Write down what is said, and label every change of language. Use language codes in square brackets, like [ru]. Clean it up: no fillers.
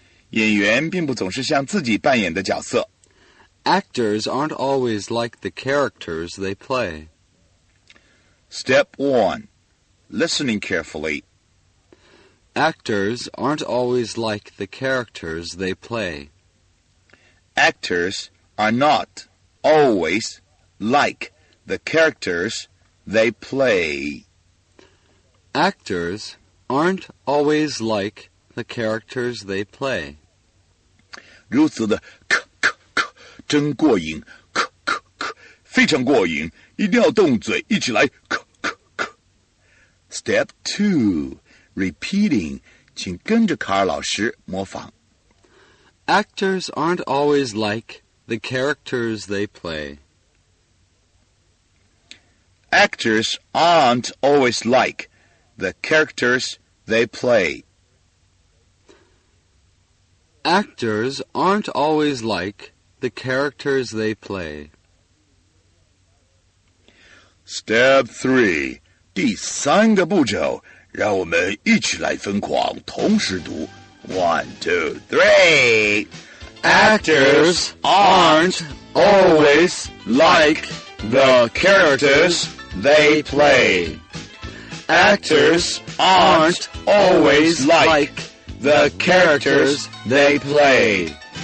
[zh] 演员并不总是像自己扮演的角色。 [en] Actors aren't always like the characters they play. Step 1. Listening carefully. Actors aren't always like the characters they play. Actors are not always like the characters they play. Actors aren't always like the characters they play. [zh] 如此的真过瘾，咳咳咳，非常过瘾，一定要动嘴，一起来，咳咳咳。 [en] Step 2, repeating, [zh] 请跟着卡尔老师模仿。 [en] Actors aren't always like the characters they play. Actors aren't always like the characters they play. Actors aren't always like... The characters they play. Step 3, [zh] 第三个步骤，让我们一起来疯狂，同时读 [en] One, two, three. Actors aren't always like the characters they play. Actors aren't always like the characters they play.